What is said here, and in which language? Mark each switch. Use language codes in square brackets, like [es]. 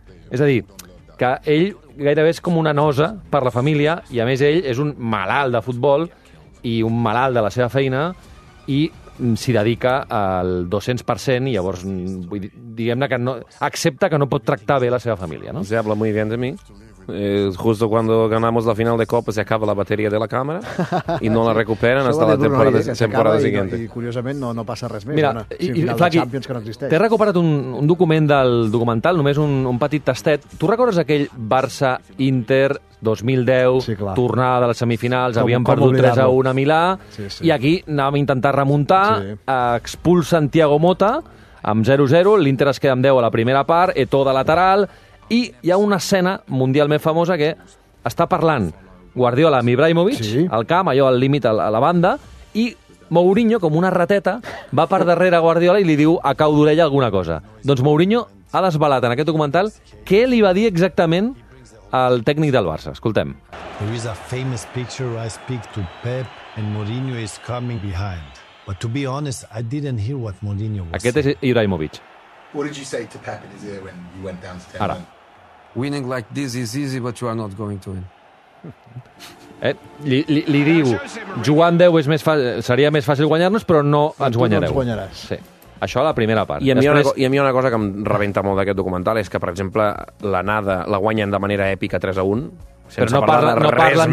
[ca] És a dir, que ell gairebé és com una nosa per la família, i a més ell és un malalt de futbol i un malalt de la seva feina i s'hi dedica al 200%, i llavors, diguem-ne, que no accepta que no pot tractar bé la seva família, no? [es] Se habla muy bien de mí. Justo cuando ganamos la final de Copa se acaba la batería de la cámara y no la recuperen hasta la temporada siguiente. [ca] I curiosament no passa res més. Mira, final de Champions que no existeix. T'he recuperat un document del documental, només un petit tastet. Tu recordes aquell Barça-Inter 2010, sí, clar, tornada de les semifinals, havien perdut 3-1 a Milà, sí, sí, i aquí anàvem a intentar remuntar, sí, expulsen Thiago Mota amb 0-0, l'Inter es queda amb 10 a la primera part, Eto de lateral, i hi ha una escena mundialment famosa que està parlant Guardiola amb Ibrahimovic, sí, al camp, allò al límit a la banda, i Mourinho, com una rateta, va per darrere Guardiola i li diu a cau d'orella alguna cosa. Doncs Mourinho ha desvelat en aquest documental què li va dir exactament al tècnic del Barça. Escoltem. [en] There is a famous picture where I speak to Pep and Mourinho is coming behind. But to be honest, I didn't hear what Mourinho was [ca] Aquest [en] saying. [ca] És Ibrahimovic. [en] What did you say to Pep in his ear when you went down to 10? [ca] Ara. [en] Winning like this is easy, but you are not going to win. [ca] Li diu, jugant 10 és més seria més fàcil guanyar-nos, però no ens guanyareu. No ens guanyaràs. Sí. Això a la primera part. I a mi una cosa que em rebenta molt d'aquest documental és que, per exemple, l'anada la guanyen de manera èpica 3-1, sense però no parlar de res parlen